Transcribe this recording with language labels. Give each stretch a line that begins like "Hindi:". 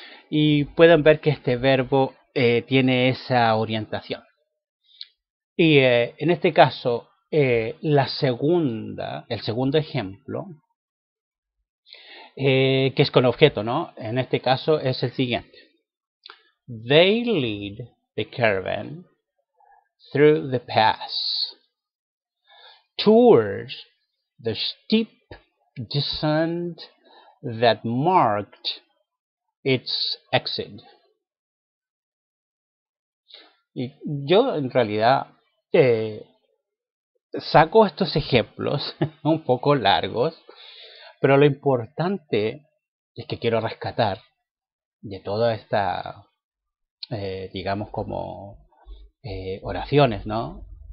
Spanish: Y pueden ver que este verbo tiene esa orientación. Y en este caso, el segundo ejemplo, que es con objeto, ¿no? En este caso es el siguiente.
English: They lead the caravan through the pass, towards the steep descent that marked its exit.
Spanish: Y yo en realidad saco estos ejemplos un poco largos, pero lo importante es que quiero rescatar de toda esta, digamos, como oraciones, ¿no?